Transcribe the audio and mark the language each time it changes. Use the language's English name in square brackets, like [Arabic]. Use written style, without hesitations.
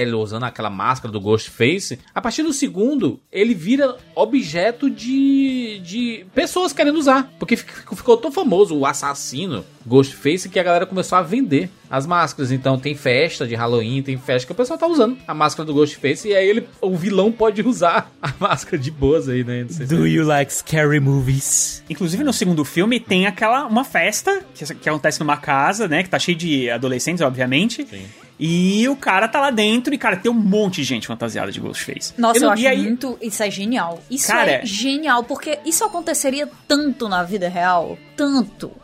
[Portuguese] Ele usando aquela máscara do Ghostface. A partir do segundo, ele vira objeto de pessoas querendo usar. Porque ficou tão famoso o assassino Ghostface que a galera começou a vender as máscaras. Então tem festa de Halloween, tem festa que o pessoal tá usando a máscara do Ghostface. E aí o vilão pode usar a máscara de boas aí, né? [English] Do you like scary movies? [Portuguese] Inclusive no segundo filme tem uma festa que acontece numa casa, né? Que tá cheio de adolescentes, obviamente. Sim. E o cara tá lá dentro e, cara, tem um monte de gente fantasiada de Ghostface. Nossa, eu acho muito... Isso é genial. Isso é genial, porque isso aconteceria tanto na vida real. Tanto.